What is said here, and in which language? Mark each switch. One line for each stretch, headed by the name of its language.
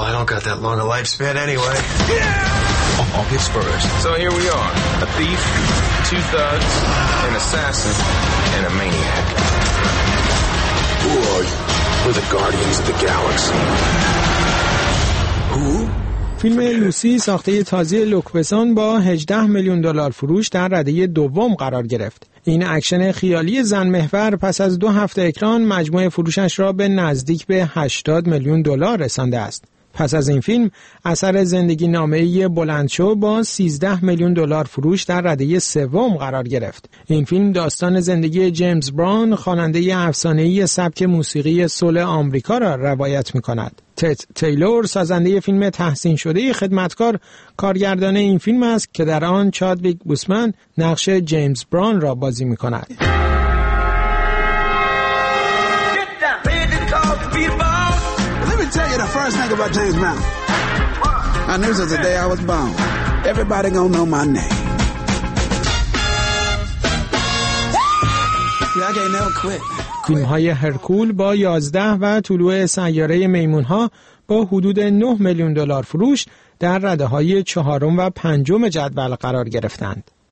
English: I don't got that long a lifespan anyway. Yeah! August 1st. So here we are. A thief, two thugs, an assassin, and a maniac. Who are you? We're the Guardians of the Galaxy. Who?
Persian: فیلم لوسی ساخته تازه لوکبسون با 18 میلیون دلار فروش در رده دوم قرار گرفت. این اکشن خیالی زن محور پس از دو هفته اکران مجموع فروشش را به نزدیک به 80 میلیون دلار رسانده است. پس از این فیلم اثر زندگی نامه‌ای بلندشو با 13 میلیون دلار فروش در رده سوم قرار گرفت. این فیلم داستان زندگی جیمز براون، خواننده افسانه‌ای سبک موسیقی سول آمریکا را روایت می‌کند. تت تیلور، سازنده فیلم تحسین شده خدمتکار، کارگردان این فیلم است که در آن چادویک بوسمن نقش جیمز براون را بازی می‌کند.
English: The first thing about James Brown, I knew since the day I was born, everybody gonna know my name. Yeah, I can't never quit.
Persian: فیلم‌های هرکول با 11 و طلوع سیاره میمون‌ها با حدود 9 میلیون دلار فروش در رده‌های 4 و 5 جدول قرار گرفتند.